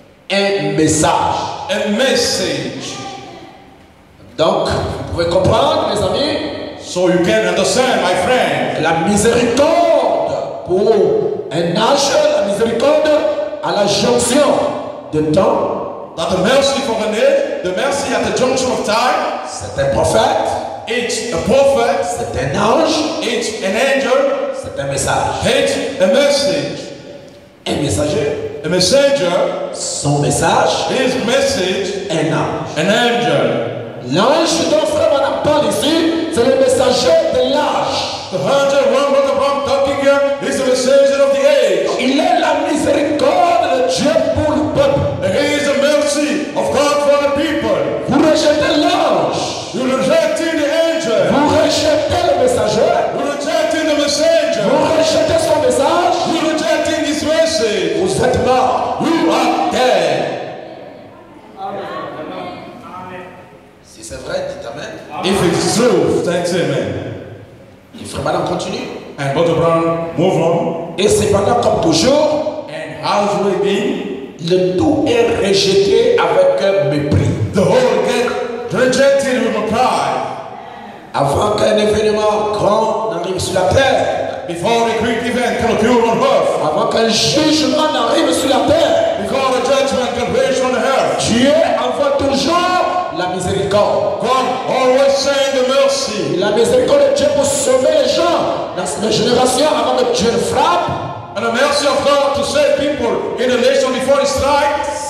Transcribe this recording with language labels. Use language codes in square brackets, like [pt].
[fr] un message. [en] A message. [fr] Donc, vous pouvez comprendre, mes amis. [en] So you can understand, my friend. [fr] La miséricorde pour un ange, la miséricorde à la jonction de temps. [en] That the mercy for an age, the mercy at the junction of time. [fr] C'est un prophète. [en] It's a prophet. [fr] C'est un ange. [en] It's an angel. [fr] C'est un message. [en] It's a message. [fr] Un messager. [en] A messenger, [fr] son message, [en] his message, [fr] un ange, [en] an angel. [fr] L'ange dont frère Branham parle ici, c'est le messager de l'âge. [en] The angel one brother Branham talking here is the messenger of the age. [fr] Il est la miséricorde de Dieu pour le peuple. [en] He is the mercy of God for the people. [fr] Vous rejetez l'ange. [en] You rejected the angel. [fr] Vous rejetez le messager. [en] You rejected the messenger. [fr] Vous rejetez son message. [en] You rejected his message. [fr] Vous êtes mort. [en] You are dead. [fr] Amen. [en] Amen. [fr] Si c'est vrai, dites amen. [en] If it's true, then say amen. [fr] Il faut maintenant continuer. [en] And Brother Brown, move on. [fr] Et c'est pendant comme toujours. [en] And how will it be? [fr] Le tout est rejeté avec un mépris. [en] The whole get rejected with a pride. [fr] Avant qu'un événement grand n'arrive sur la terre. [en] Before a great event can occur on earth. [fr] Avant qu'un jugement n'arrive sur la terre. [en] Before a judgment can reach on earth. [fr] Dieu envoie toujours la miséricorde. [en] God always send the mercy. [fr] La miséricorde de Dieu pour sauver les gens dans les générations avant que Dieu ne frappe. [en] And the mercy of God to save people in a nation before he strikes.